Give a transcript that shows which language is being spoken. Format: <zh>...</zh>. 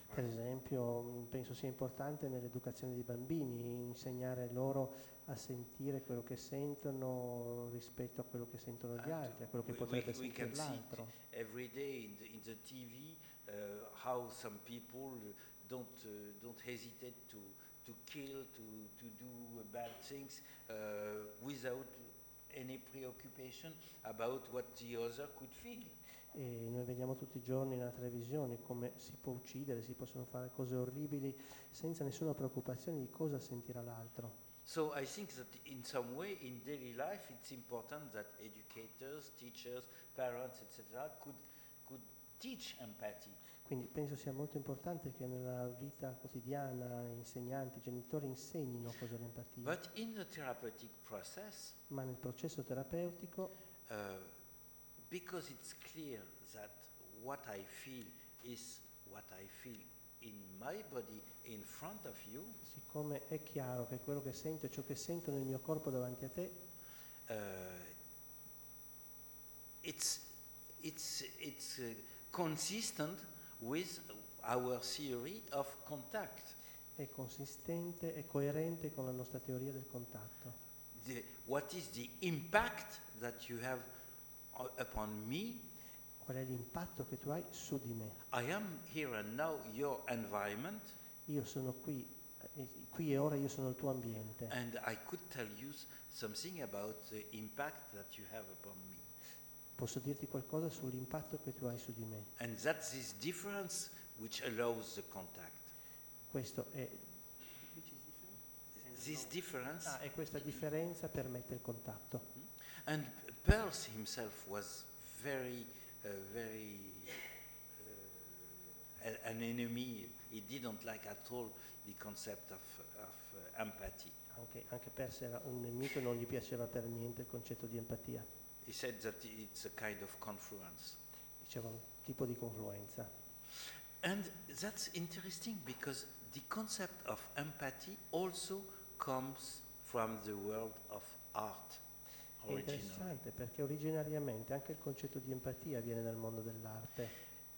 <it>Per esempio, penso sia importante nell'educazione dei bambini insegnare loro a sentire quello che sentono rispetto a quello che sentono gli altri, a quello che potrebbe sentire l'altro.</it> <en>Every day in the TV how some people don't hesitate to kill, to do bad things without any preoccupation about what the other could feel.</en> <it>E noi vediamo tutti i giorni nella televisione come si può uccidere, si possono fare cose orribili senza nessuna preoccupazione di cosa sentirà l'altro.</it> <en>So I think that in some way in daily life it's important that educators, teachers, parents, etc. could teach empathy.</en> <it>Quindi penso sia molto importante che nella vita quotidiana insegnanti, genitori insegnino cosa è l'empatia.</it> <en>But in the therapeutic process,</en> <it>ma nel processo terapeutico,</it> <en>because it's clear that what I feel is what I feel in my body in front of you,</en> <it>siccome è chiaro che quello che sento è ciò che sento nel mio corpo davanti a te,</it> <en>it's consistent with our theory of contact.</en> <it>È consistente, è coerente con la nostra teoria del contatto.</it> <en>The, what is the impact that you have upon me?</en> <it>Qual è l'impatto che tu hai su di me?</it> <en>I am here and now your environment.</en> <it>Io sono qui, qui e ora io sono il tuo ambiente.</it> <en>And I could tell you something about the impact that you have upon me.</en> <it>Posso dirti qualcosa sull'impatto che tu hai su di me.</it> <en>And that's this difference which allows the contact.</en> <it>Questo è</it> <en>this difference.</en> <it>Ah, e questa differenza permette il contatto.</it> <en>And Peirce himself was very very an enemy. He didn't like at all the concept of empathy.</en> <it>Anche Peirce era un nemico, non gli piaceva per niente il concetto di empatia.</it> <en>He said that it's a kind of confluence.</en> <it>Diceva un tipo di confluenza.</it> <en>And that's interesting because the concept of empathy also comes from the world of art.</en> <it>È interessante perché originariamente anche il concetto di empatia viene dal mondo dell'arte.</it>